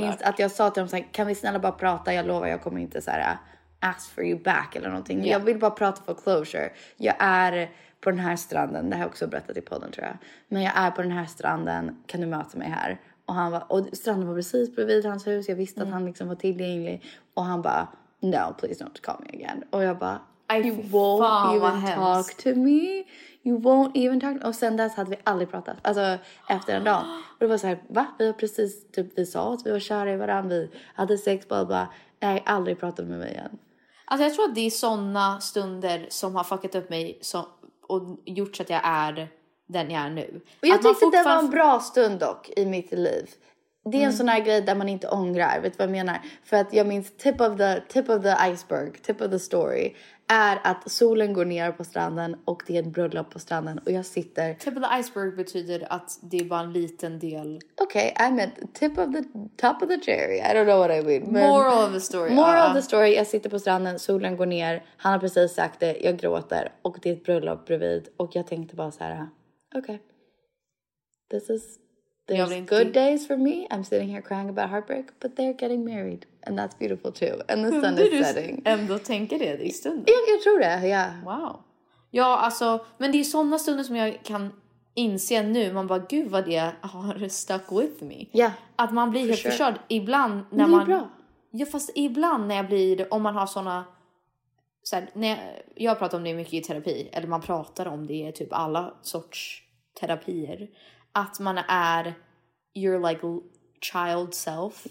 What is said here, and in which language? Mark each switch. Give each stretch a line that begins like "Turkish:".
Swedish: Minns att jag sa till dem så här... Kan vi snälla bara prata? Jag lovar, jag kommer inte så här...
English: ask for you back
Swedish: eller någonting.
English: Yeah.
Swedish: Jag vill bara prata för closure. Jag är... på den här stranden, det har jag också berättat i podden tror jag. Men jag är på den här stranden, kan du möta mig här? Och han var, och stranden var precis bredvid hans hus, jag visste att han liksom var tillgänglig. Och han bara,
English: no, please don't call me again.
Swedish: Och jag bara,
English: you won't even talk to me. You won't even talk to me.
Swedish: Och sen dess hade vi aldrig pratat, alltså efter en dag. Och det var så här, va? Vi har precis, typ, vi sa att vi var kära i varandra, vi hade sex, bla bla. Nej, aldrig pratat med mig igen. Alltså jag tror att det är såna stunder som har fuckat upp mig som, och gjort så att jag är den jag är nu. Och jag tyckte det var en bra stund dock i mitt liv. Det är en sån här grej där man inte ångrar, vet du vad jag menar? För att jag minns
English: tip of the iceberg, tip of the story,
Swedish: är att solen går ner på stranden och det är ett bröllop på stranden och jag sitter...
English: Tip of the iceberg
Swedish: betyder att det är bara en liten del... Okej,
English: okay, I meant tip of the top of the cherry, I don't know what I mean.
Swedish: Men
English: moral of the story. Moral of the story,
Swedish: jag sitter på stranden, solen går ner, han har precis sagt det, jag gråter och det är ett bröllop bredvid och jag tänkte bara så här, okej, okay.
English: There's good days for me. I'm sitting here crying about heartbreak, but they're getting married and that's beautiful too. And the sun is setting.
Swedish: Ändå tänker det i stunden. Jag tror det. Ja.
English: Wow.
Swedish: Ja, alltså, men det är såna stunder som jag kan inse nu. Man bara, gud vad det har
English: stuck with me. Yeah.
Swedish: Att man blir helt förkörd ibland när man... Det är bra. Ja, fast ibland när jag blir, om man har såna... Så här, när jag pratar om det mycket i terapi, eller man pratar om det i typ alla sorts terapier, att man är
English: your like child self.